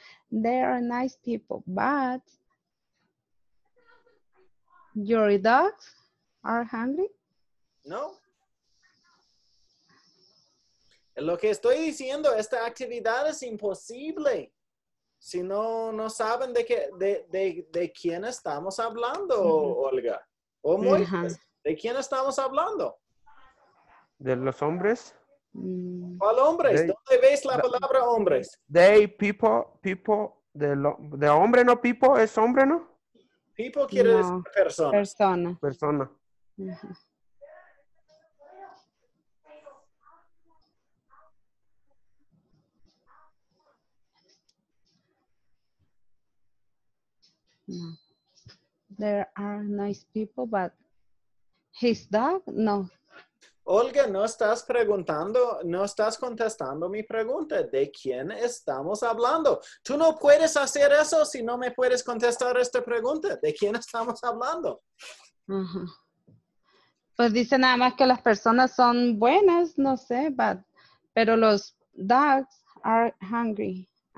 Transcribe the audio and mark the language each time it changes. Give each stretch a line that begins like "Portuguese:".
English: They are nice people, but your dogs are hungry? No.
Spanish: Lo que estoy diciendo, esta actividad es imposible. Si no saben de quién estamos hablando, Olga. O Moisés, ¿de quién estamos hablando? De los hombres. ¿Cuál hombres? ¿Dónde ves la palabra hombres? They, people, de hombre no people, es hombre, ¿no? People quiere decir persona. Persona.
English: There are nice people, but his dog, no.
Spanish: Olga, no estás preguntando, no estás contestando mi pregunta. ¿De quién estamos hablando? Tú no puedes hacer eso si no me puedes contestar esta pregunta. ¿De quién estamos hablando? Pues dice nada más que las personas son buenas, no sé, pero los
English: dogs are hungry.